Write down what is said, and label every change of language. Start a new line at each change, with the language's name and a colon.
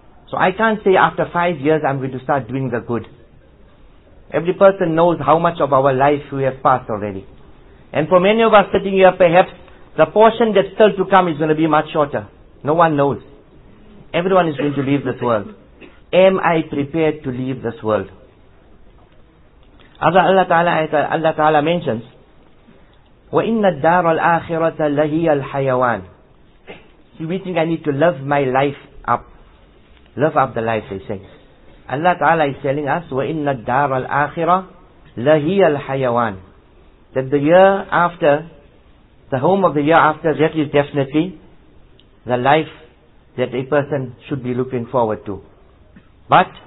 English: So I can't say after 5 years I'm going to start doing the good. Every person knows how much of our life we have passed already. And for many of us sitting here, perhaps the portion that's still to come is going to be much shorter. No one knows. Everyone is going to leave this world. Am I prepared to leave this world? Other Allah Ta'ala mentions,
Arabic: وَإِنَّ الدَّارَ الْآخِرَةَ لَهِيَ الْحَيَوَانِ.
English: See, we think I need to live my life up. Live up the life, they say. Allah Ta'ala is telling us,
Arabic: وَإِنَّ الدَّارَ الْآخِرَةَ لَهِيَ الْحَيَوَانِ.
English: That the year after, the home of the year after, that is definitely the life that a person should be looking forward to. But